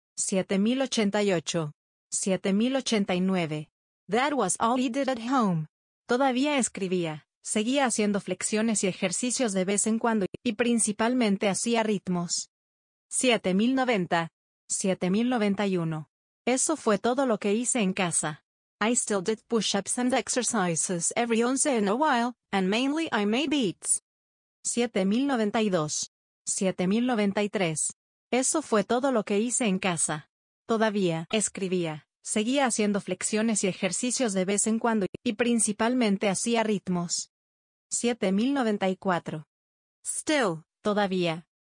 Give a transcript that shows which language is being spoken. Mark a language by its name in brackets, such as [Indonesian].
[English] 7088. 7089. That was all he did at home. [Spanish] Todavía escribía, seguía haciendo flexiones y ejercicios de vez en cuando, y principalmente hacía ritmos. 7090. 7091. Eso fue todo lo que hice en casa. [English] I still did push-ups and exercises every once in a while, and mainly I made beats. 7092. 7093. [Spanish] Eso fue todo lo que hice en casa. Todavía escribía, seguía haciendo flexiones y ejercicios de vez en cuando, y principalmente hacía ritmos. [English] 7094. Still, todavía.